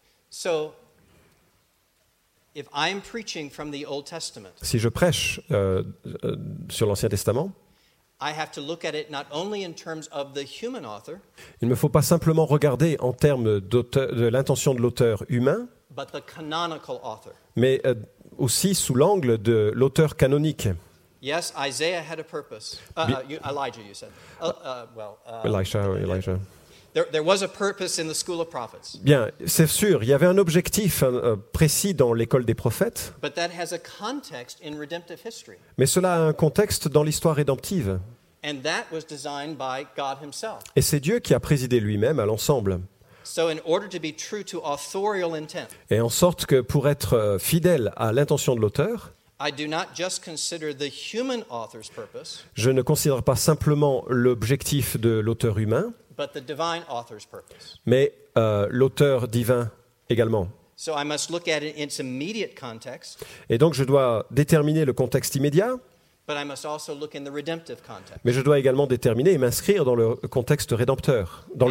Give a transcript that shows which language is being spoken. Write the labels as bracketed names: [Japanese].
[English] So, if I'm preaching from the Old Testament, [French] si je prêche sur l'Ancien Testament, [English] I have to look at it not only in terms of the human author, [French] il ne me faut pas simplement regarder en termes de l'intention de l'auteur humain, [English] but the canonical author. [French] Mais aussi sous l'angle de l'auteur canonique. [English] Yes, Isaiah had a purpose. Elijah, you said. Elijah, or Elijah. There was a purpose in the school of prophets. [French] Bien, c'est sûr, il y avait un objectif précis dans l'école des prophètes. [English] But that has a context in redemptive history. [French] Mais cela a un contexte dans l'histoire rédemptive. [English] And that was designed by God himself. [French] Et c'est Dieu qui a présidé lui-même à l'ensemble. [English] So in order to be true to authorial intent, [French] et en sorte que pour être fidèle à l'intention de l'auteur, [English] I do not just consider the human author's purpose, [French] je ne considère pas simplement l'objectif de l'auteur humain, [English] but the divine author's purpose. [French] Mais l'auteur divin également. [English] So I must look at it in its immediate context, [French] et donc je dois déterminer le contexte immédiat. [English] But I must also look in the redemptive context. [French] Mais je dois également déterminer et m'inscrire dans le contexte rédempteur.